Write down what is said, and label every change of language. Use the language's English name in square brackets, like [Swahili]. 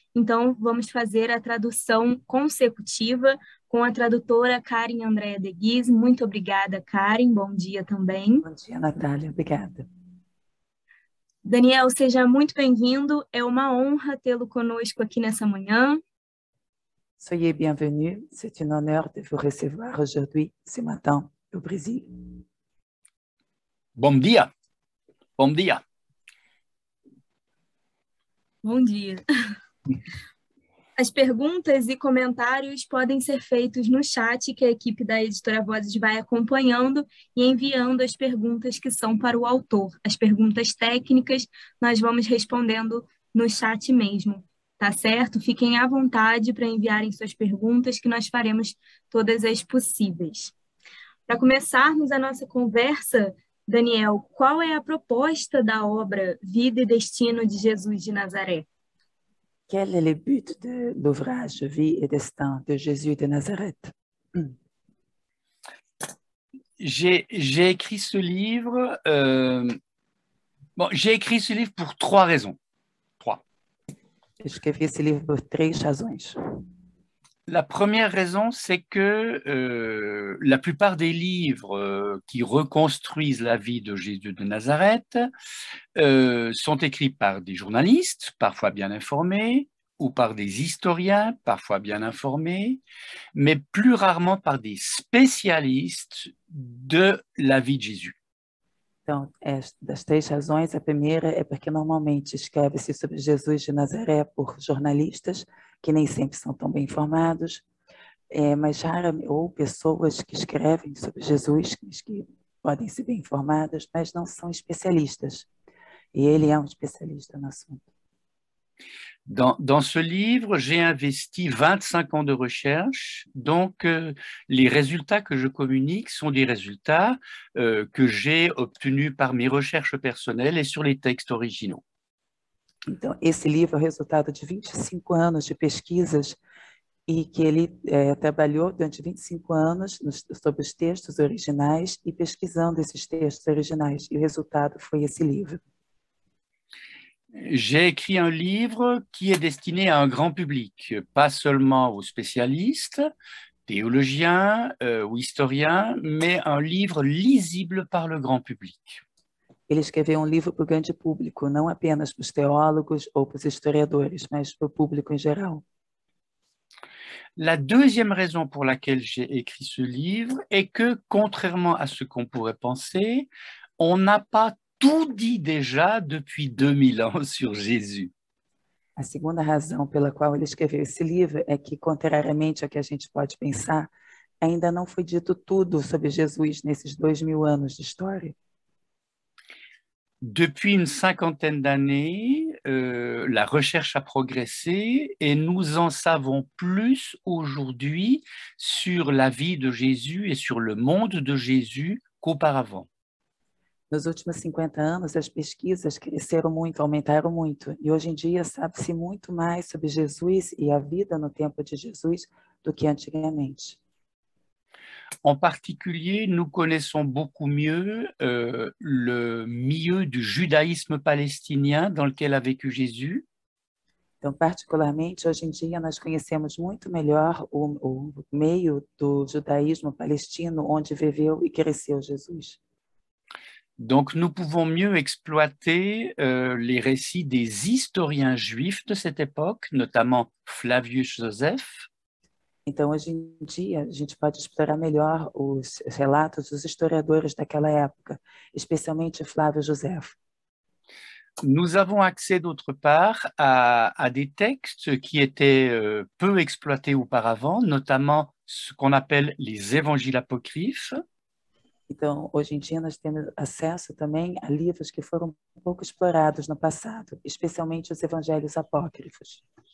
[Portuguese] Então, vamos fazer a tradução consecutiva com a tradutora Karen Andréa de Guiz. Muito obrigada, Karen. Bom dia também. Bom dia, Natália. Obrigada. Daniel, seja muito bem-vindo. É uma honra tê-lo conosco aqui nessa manhã. [French] Soyez bienvenue. C'est un honneur de vous recevoir aujourd'hui, ce matin, au Brésil. [Portuguese] Bom dia. Bom dia. Bom dia. As perguntas e comentários podem ser feitos no chat que a equipe da Editora Vozes vai acompanhando e enviando as perguntas que são para o autor. As perguntas técnicas nós vamos respondendo no chat mesmo, tá certo? Fiquem à vontade para enviarem suas perguntas que nós faremos todas as possíveis. Para começarmos a nossa conversa, Daniel, qual é a proposta da obra Vida e Destino de Jesus de Nazaré? [French] Quel est le but de l'ouvrage Vie et Destin de Jésus de Nazareth? J'ai écrit ce livre. J'ai écrit ce livre pour trois raisons. [Portuguese] Escrevi esse livro por três razões. [French] La première raison, c'est que la plupart des livres qui reconstruisent la vie de Jésus de Nazareth sont écrits par des journalistes, parfois bien informés, ou par des historiens, parfois bien informés, mais plus rarement par des spécialistes de la vie de Jésus. [Portuguese] Então, das três razões, a primeira é porque normalmente escreve-se sobre Jesus de Nazaré por jornalistas, que nem sempre são tão bem informados, mas raras, ou pessoas que escrevem sobre Jesus, que podem ser bem informadas, mas não são especialistas. E ele é um especialista no assunto. [French] Dans ce livre, j'ai investi 25 ans de recherche, donc les résultats que je communique sont des résultats que j'ai obtenus par mes recherches personnelles et sur les textes originaux. [Portuguese] Então, esse livro é o resultado de 25 anos de pesquisas e que ele trabalhou durante 25 anos sobre os textos originais e pesquisando esses textos originais. E o resultado foi esse livro. [French] J'ai écrit un livre qui est destiné à un grand public, pas seulement aux spécialistes, théologiens, ou historiens, mais un livre lisible par le grand public. [Portuguese] Ele escreveu um livro para o grande público, não apenas para os teólogos ou para os historiadores, mas para o público em geral. [French] La deuxième raison pour laquelle j'ai écrit ce livre est que, contrairement à ce qu'on pourrait penser, on n'a pas tout dit déjà depuis 2000 ans sur Jésus. [Portuguese] A segunda razão pela qual ele escreveu esse livro é que, contrariamente ao que a gente pode pensar, ainda não foi dito tudo sobre Jesus nesses 2000 anos de história. [French] Depuis une cinquantaine d'années, la recherche a progressé et nous en savons plus aujourd'hui sur la vie de Jésus et sur le monde de Jésus qu'auparavant. [Portuguese] Nos últimos 50 anos, as pesquisas cresceram muito, aumentaram muito, e hoje em dia sabe-se muito mais sobre Jesus e a vida no tempo de Jesus do que antigamente. [French] En particulier, nous connaissons beaucoup mieux le milieu du judaïsme palestinien dans lequel a vécu Jésus. [Portuguese] Então, particularmente, hoje em dia, nós conhecemos muito melhor o meio do judaísmo palestino onde viveu e cresceu Jesus. [French] Donc, nous pouvons mieux exploiter les récits des historiens juifs de cette époque, notamment Flavius Josèphe. [Portuguese] Então, hoje em dia, a gente pode explorar melhor os relatos dos historiadores daquela época, especialmente Flávio Josefo. [French] Nous avons accès d'autre part à des textes qui étaient peu exploités auparavant, notamment ce qu'on appelle les évangiles apocryphes. [Portuguese] Então, hoje em dia, nós temos acesso também a livros que foram pouco explorados no passado, especialmente os evangelhos apócrifos.